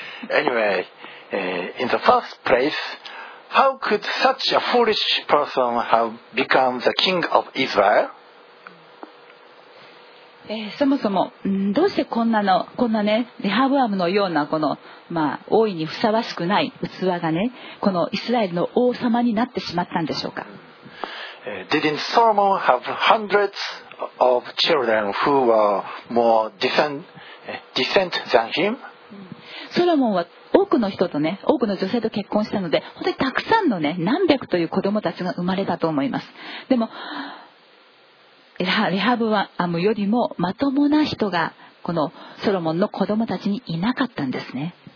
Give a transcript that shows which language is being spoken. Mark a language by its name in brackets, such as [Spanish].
[English] Anywayin the first place, how could such a foolish person have become the king of Israel? [Japanese] そもそも、どうしてこんなね、レハブアムのようなこの、まあ、大いにふさわしくない器がね、このイスラエルの王様になってしまったんでしょうか。 [English] Didn't Solomon have hundreds of children who were more decent than him? [Japanese] ソロモンは多くの人とね、多くの女性と結婚したので、本当にたくさんのね、何百という子供たちが生まれたと思います。でも、レハブアムよりもまともな人が、このソロモンの子供たちにいなかったんですね。